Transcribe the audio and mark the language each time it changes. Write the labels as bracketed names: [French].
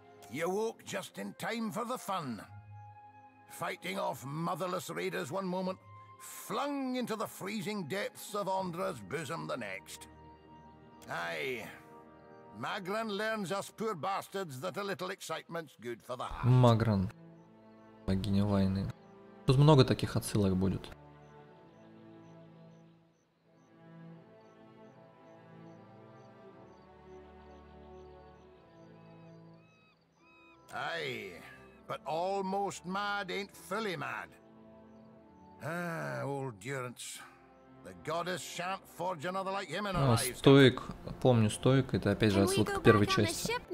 [English] You walk just in time for the fun. Fighting off motherless raiders one moment, flung into the freezing depths of Andra's bosom the next. Aye, Magran learns us poor bastards that a little excitement's good for the heart. [Russian] Magran, богиня войны. Тут много таких отсылок будет. [English] Aye, but almost mad ain't fully mad. Ah, old Durance. The goddess shan't forge another like him in our lives. [Russian] Стоик, помню, стоик, это опять же отсылка к первой части.